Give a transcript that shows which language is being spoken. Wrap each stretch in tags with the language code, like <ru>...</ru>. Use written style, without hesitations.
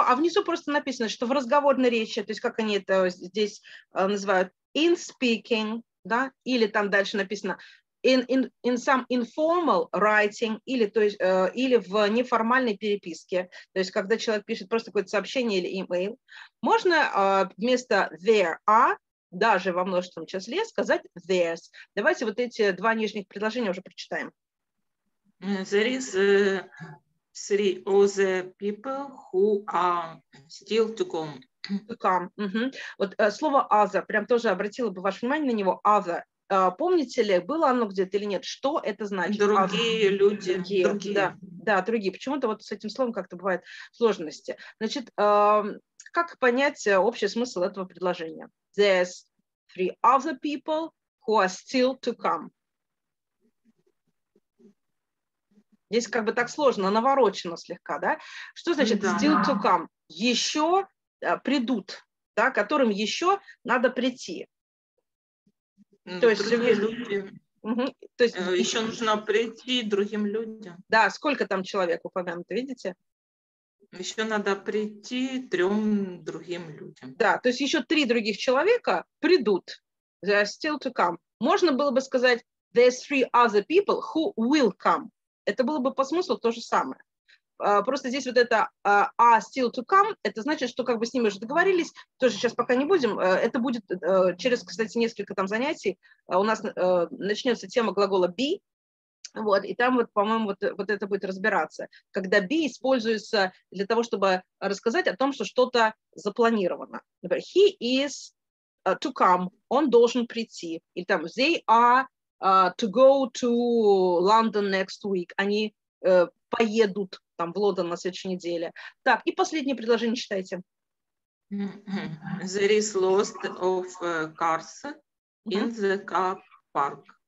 <ru>А внизу просто написано, что в разговорной речи, то есть как они это здесь называют,</ru> <en>in speaking,</en> <ru>да, или там дальше написано</ru> <en>in some informal writing,</en> <ru>или, то есть, или в неформальной переписке, то есть когда человек пишет просто какое-то сообщение или email, можно вместо</ru> <en>there are,</en> <ru>даже во множественном числе, сказать</ru> <en>there's.</en> <ru>Давайте вот эти два нижних предложения уже прочитаем.</ru> <en>There is three other people who are still to come. To come. Mm-hmm.</en> <ru>Вот слово other, прям тоже обратила бы ваше внимание на него.</ru> <en>Other.</en> <ru>Помните ли, было оно где-то или нет? Что это значит? Другие other. Люди. Другие. Да, другие. Почему-то вот с этим словом как-то бывают сложности. Значит, как понять общий смысл этого предложения?</ru> <en>There's three other people who are still to come.</en> <ru>Здесь как бы так сложно, наворочено слегка, да? Что значит still to come? Еще придут, да, которым еще надо прийти. То есть, другие люди. Угу. То есть еще нужно прийти другим людям. Да, сколько там человек упомянуто, видите? Еще надо прийти трем другим людям. Да, то есть еще три других человека придут.</ru> <en>They're still to come.</en> <ru>Можно было бы сказать</ru> <en>there's three other people who will come.</en> <ru>Это было бы по смыслу то же самое. Просто здесь вот это</ru> <en>are still to come,</en> <ru>это значит, что как бы с ними уже договорились, тоже сейчас пока не будем. Это будет через, кстати, несколько там занятий. У нас начнется тема глагола be. Вот, и там вот, по-моему, вот это будет разбираться. Когда be используется для того, чтобы рассказать о том, что что-то запланировано. Например,</ru> <en>he is</en> <ru>to come, он должен прийти. Или там,</ru> <en>they are to go to London next week.</en> <ru>Они поедут там в Лондон на следующей неделе. Так, и последнее предложение читайте.</ru> <en>There is lost of cars in the car park.</en>